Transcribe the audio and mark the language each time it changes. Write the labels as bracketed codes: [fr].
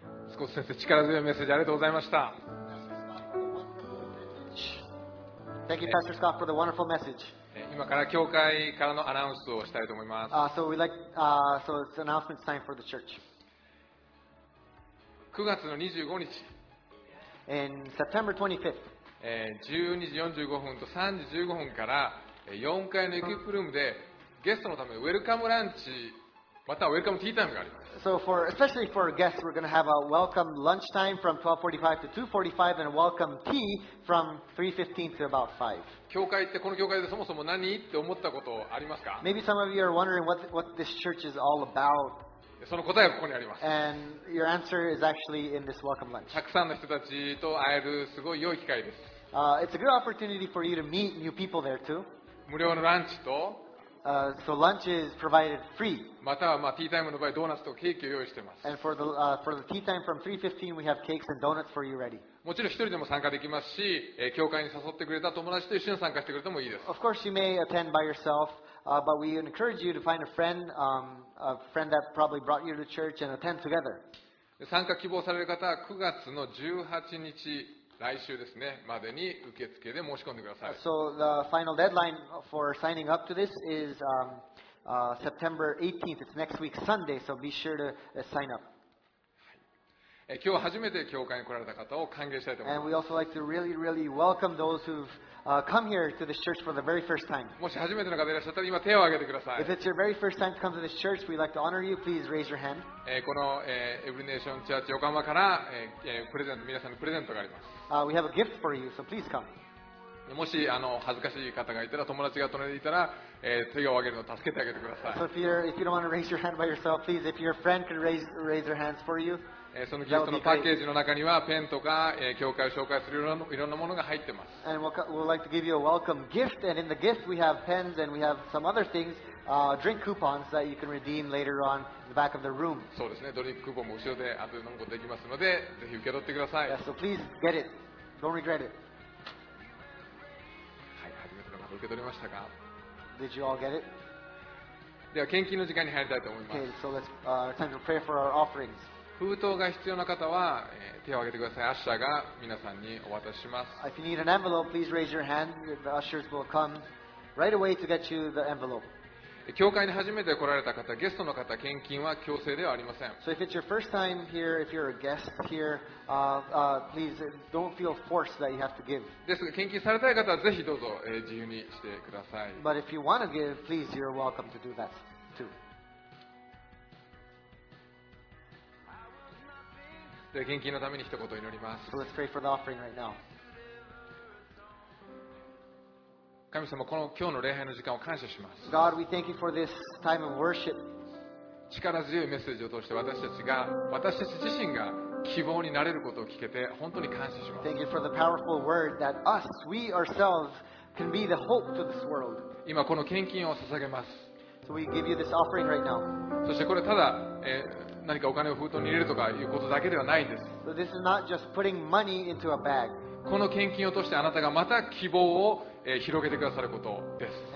[ja] スコス先生、力強いメッセージありがとうございました。 [en] Thank you, Pastor Scott, for the wonderful message. [ja] 今から教会からのアナウンスをしたいと思います。 [en] So we like, so it's announcement time for the church. [ja] 9月の25日 [en] In September 25th [ja] 12時45分と3時15分から4階のエキプルームでゲストのためウェルカムランチまたはウェルカムティータイムがあります。 [en] So for, especially for guests, we're going to have a welcome lunch time from 12:45 to 2:45 and a welcome tea from 3:15 to about 5. [ja] 教会ってこの教会でそもそも何って思ったことありますか？ [en] Maybe some of you are wondering what this church is all about [ja] その答えはここにあります。 [en] And your answer is actually in this welcome lunch. [ja] たくさんの人たちと会えるすごい良い機会です。 [en] It's a good opportunity for you to meet new people there too. [ja] 無料のランチと、 [en] so lunch is provided free. [ja] またはまあティータイムの場合ドーナツとケーキを用意しています。 [en] And for the tea time from 3:15, we have cakes and donuts for you ready. [ja] もちろん一人でも参加できますし、教会に誘ってくれた友達と一緒に参加してくれてもいいです。 [en] Of course, you may attend by yourself, but we encourage you to find a friend. A friend that probably brought you to church and attend together. [ja] 参加希望される方は9月の18日来週ですねまでに受付で申し込んでください。 [en] So the final deadline for signing up to this is September 18th. It's next week Sunday. So be sure to sign up. [ja] 今日初めて教会に来られた方を歓迎したいと思います。 [en] And we also like to really, really welcome those who've come here to this church for the very first time. [ja] もし初めての方いらっしゃったら今手を挙げてください。 [en] If it's your very first time to come to this church, we'd like to honor you. Please raise your hand. [ja] このエブリネーションチャーチ横浜からプレゼント皆さんにプレゼントがあります。 [en] We have a gift for you, so please come. [ja] もし恥ずかしい方がいたら友達が隣にいたら手を挙げるのを助けてあげてください。 [en] So if you don't want to raise your hand by yourself, please, if your friend could raise their hands for you. [ja] そのギフトのパッケージの中にはペンとか教会を紹介するいろんなものが入ってます。 [en] And we'd like to give you a welcome gift. And in the gift, we have pens and we have some other things, drink coupons that you can redeem later on in the back of the room. [ja] そうですね。ドリンククーポンも後ろで後で飲むことができますので、ぜひ受け取ってください。 [en] Yeah, so please get it. Don't regret it. [ja] はい、初めての方受け取りましたか？ [en] Did you all get it? [ja] では献金の時間に入りたいと思います。 [en] Okay, so let's time to pray for our offerings. [ja] 封筒が必要な方は手を挙げてください。アッシャーが皆さんにお渡しします。 [en] If you need an envelope, please raise your hand. The ushers will come right away to get you the envelope. [ja] 教会に初めて来られた方、ゲストの方、献金は強制ではありません。 [en] So if it's your first time here, if you're a guest here, please don't feel forced that you have to give. [ja] ですが、献金されたい方はぜひどうぞ自由にしてください。 [en] But if you want to give, please, you're welcome to do that too. [ja] で献金のために一言祈ります。 [en] So let's pray for the offering right now. [ja] 神様、この今日の礼拝の時間を感謝します。 [en] God, we thank you for this time of worship. [ja] 力強いメッセージを通して私たち自身が希望になれることを聞けて本当に感謝します。 [en] Thank you for the powerful word that us, we ourselves, can be the hope to this world. [ja] 今この献金を捧げます。 [en] So we give you this offering right now. [ja] そしてこれただ、何かお金を封筒に入れるとかいうことだけではないんです。 [en] So、this is not just putting money into a bag. [ja] この献金を通してあなたがまた希望を広げてくださることです。